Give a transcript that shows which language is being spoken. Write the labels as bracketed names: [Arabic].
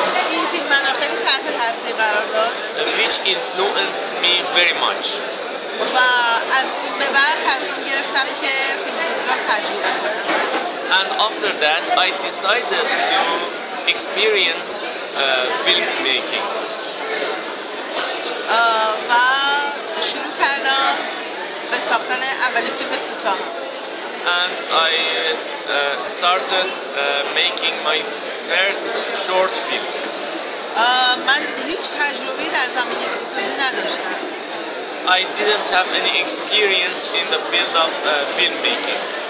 [Persian] این فیلم من خیلی تحت تاثیر قرار داد [English] which influenced me very much. [Persian] و از اون به بعد تصمیم گرفتم که فیلمسازی را تجربه کنم. [English] And after that, I decided to experience filmmaking. [Persian] و شروع کردم به ساختن اولین فیلم کوتاه. [English] And I started making my first short film. [Persian] من هیچ تجربه‌ای در زمینه فیلمسازی نداشتم. [English] I didn't have any experience in the field of filmmaking.